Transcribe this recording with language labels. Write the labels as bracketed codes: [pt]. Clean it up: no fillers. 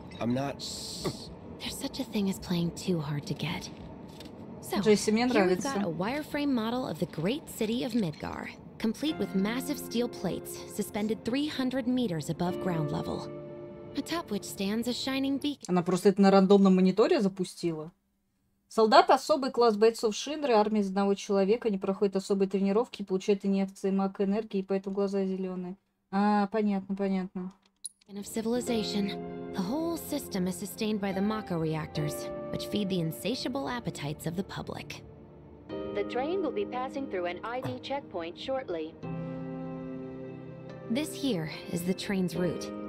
[en] I'm not... There's such a thing as playing too hard to get. So, [ru] Джесси, мне нравится. [en] Here we've got a wireframe model of the great city of Midgar, complete with massive steel plates suspended 300 meters above ground level, atop which stands a shining beacon. [ru] Она просто это на рандомном мониторе запустила. Солдат особый класс бойцов Шинры, армия из одного человека, не проходит особой тренировки, получает инъекции маг энергии, поэтому глаза зеленые. А, понятно, понятно. [en] And of civilization. The whole system is sustained by the Mako reactors, which feed the insatiable appetites of the public. The train will be passing through an ID checkpoint shortly. This here is the train's route.